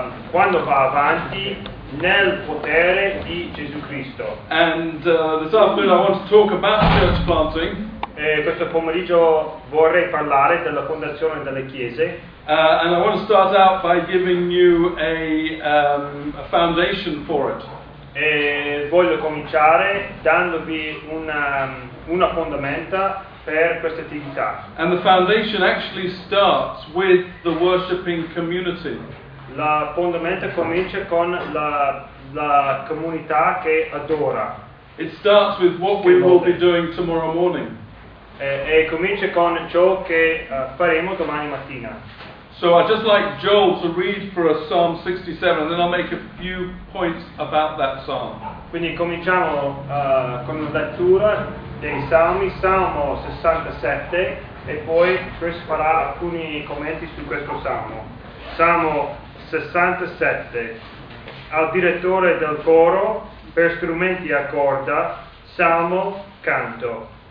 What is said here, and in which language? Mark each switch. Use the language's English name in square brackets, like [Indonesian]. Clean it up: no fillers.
[Italian] Quando va avanti nel potere di Gesù Cristo. [English] And this afternoon I want to talk about church planting. [Italian] E questo pomeriggio vorrei parlare della fondazione delle chiese. [English] And I want to start out by giving you a foundation for it. [Italian] E voglio cominciare dandovi una fondamenta per questa attività. [English] And the foundation actually starts with the worshiping community. [Italian] La fondamenta comincia con la comunità che adora. [English] It starts with what we will be doing tomorrow morning. [Italian] E comincia con ciò che faremo domani mattina. [English] So I'd just like Joel to read for us Psalm 67, and then I'll make a few points about that psalm. [Italian] Quindi cominciamo con la lettura dei Salmi, Salmo 67, e poi Chris farà alcuni commenti su questo Salmo. Salmo 67, al direttore del coro, per strumenti a corda, Salmo, canto.